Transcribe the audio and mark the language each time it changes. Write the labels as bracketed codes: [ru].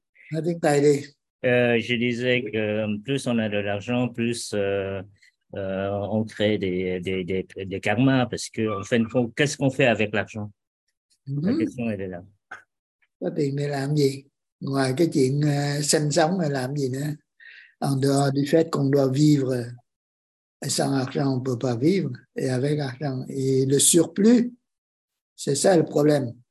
[fr] Je disais que plus on a de l'argent, plus on crée des karmas, parce que en fin de compte, qu'est-ce qu'on fait avec l'argent? La question est là. [vi] Có tiền để làm gì? Ngoài cái chuyện sinh sống là làm gì nữa? [fr] En dehors du fait qu'on doit vivre, et sans argent, on ne peut pas vivre, et avec argent. Et le surplus, c'est ça le problème.